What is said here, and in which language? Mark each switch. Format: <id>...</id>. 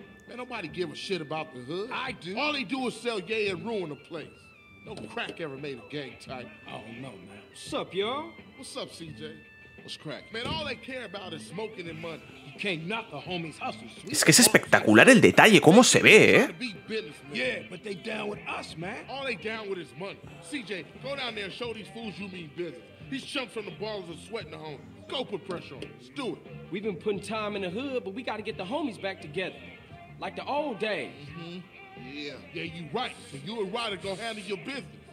<en>Man, nobody give a shit about the hood. I do. All they do is sell yay and ruin the place. No crack ever made a gang type. I don't know, man. What's up, y'all? What's up, CJ? What's crack? Man, all they care about is smoking and money. You can't knock the homies hustle, sweet.</en> <es>Es que es espectacular el detalle, cómo se ve, ¿eh?</es> <en>Yeah, but they down with us, man. All they down with is money. CJ, go down there and show these fools you mean business. These chumps from the balls are sweating the homies. Go put pressure on. Let's do it. We've been putting time in the hood, but we gotta get the homies back together. Like the old days. Mm-hmm. Yeah. Yeah, you right. So you and Ryder go handle your business.</en>